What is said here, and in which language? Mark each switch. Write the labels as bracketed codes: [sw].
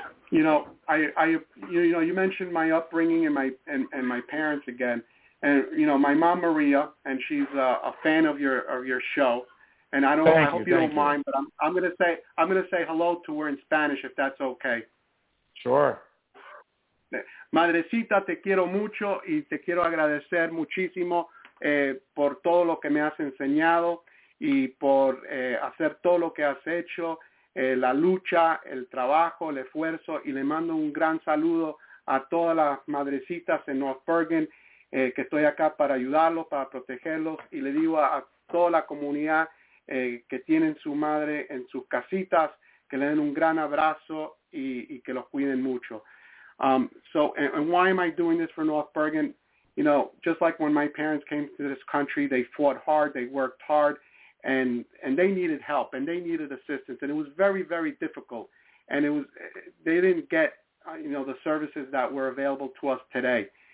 [en] You know, you mentioned my upbringing and my parents again. And, you know, my mom, Maria, and she's a fan of your show. And I don't. I hope you don't mind, but I'm gonna say hello to her in Spanish, if that's okay. Sure. [es] Madrecita, te quiero mucho y te quiero agradecer muchísimo por todo lo que me has enseñado y por hacer todo lo que has hecho, la lucha, el trabajo, el esfuerzo. Y le mando un gran saludo a todas las madrecitas en North Bergen, que estoy acá para ayudarlos, para protegerlos. Y le digo a toda la comunidad que tienen su madre en sus casitas, que le den un gran abrazo y que los cuiden mucho. [en] So, why am I doing this for North Bergen? You know, just like when my parents came to this country, they fought hard, they worked hard, and they needed help, and they needed assistance, and it was very, very difficult. And it was, they didn't get, you know, the services that were available to us today.